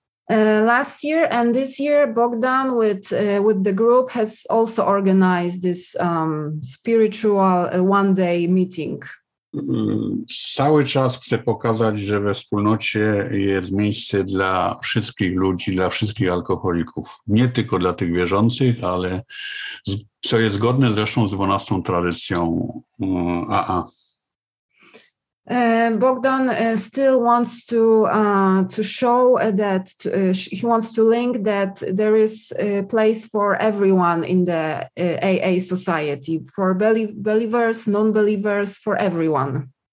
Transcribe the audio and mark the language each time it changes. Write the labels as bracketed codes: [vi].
[en] Last year and this year, Bogdan with the group has also organized this spiritual one-day meeting. [pl] Cały czas chcę pokazać, że we wspólnocie jest miejsce dla wszystkich ludzi, dla wszystkich alkoholików. Nie tylko dla tych wierzących, ale co jest zgodne zresztą z 12 tradycją AA. [en] Bogdan still wants to show that he wants to link that there is a place for everyone in the AA society, for believers, non-believers, for everyone.